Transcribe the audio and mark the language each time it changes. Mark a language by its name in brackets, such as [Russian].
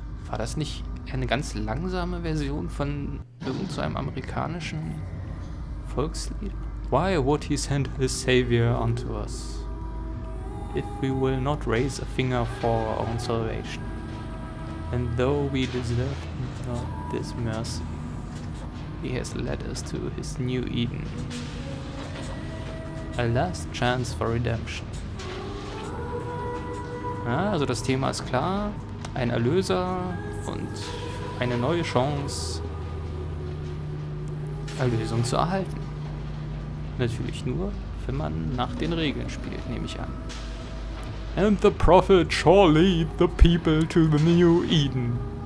[German] War das nicht eine ganz langsame Version von irgendeinem amerikanischen Volkslied? [English] Why would he send his savior unto us, if we will not raise a finger for our own salvation? And though we deserve not this mercy, he has led us to his new Eden. A last chance for redemption. [German] Ja, also das Thema ist klar. Ein Erlöser und eine neue Chance, Erlösung zu erhalten. Natürlich nur, wenn man nach den Regeln spielt, nehme ich an. [English] And the prophet shall lead the people to the new Eden.